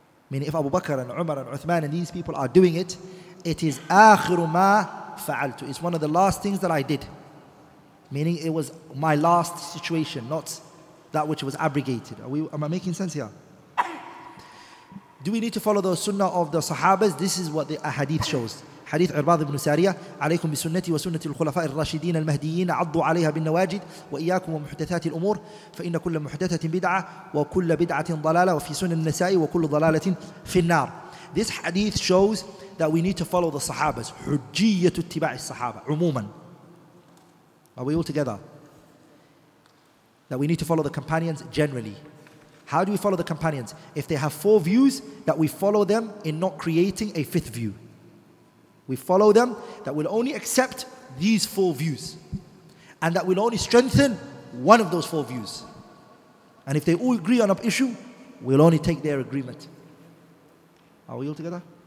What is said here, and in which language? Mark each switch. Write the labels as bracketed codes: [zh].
[en] Meaning if Abu Bakr and Umar and Uthman and these people are doing it, it is [ar] akhiru ma fa'altu. [en] It's one of the last things that I did. Meaning it was my last situation, not that which was abrogated. Am I making sense here? Do we need to follow the sunnah of the Sahabas? This is what the hadith shows. [ar] Hadith Urbad ibn Sariyah, عليكم بسنتي وسنة الخلفاء الراشدين المهديين عضوا عليها بالنواجد وإياكم ومحدثات الأمور فإن كل محدثة بدعة وكل بدعة ضلالة وفي سنة النساء وكل ضلالة في النار. [en] This hadith shows that we need to follow the Sahabas. [ar] حجية اتباع الصحابة عموما. [en] Are we all together? That we need to follow the companions generally. How do we follow the companions? If they have four views, that we follow them in not creating a fifth view. We follow them that will only accept these four views. And that will only strengthen one of those four views. And if they all agree on an issue, we'll only take their agreement. Are we all together?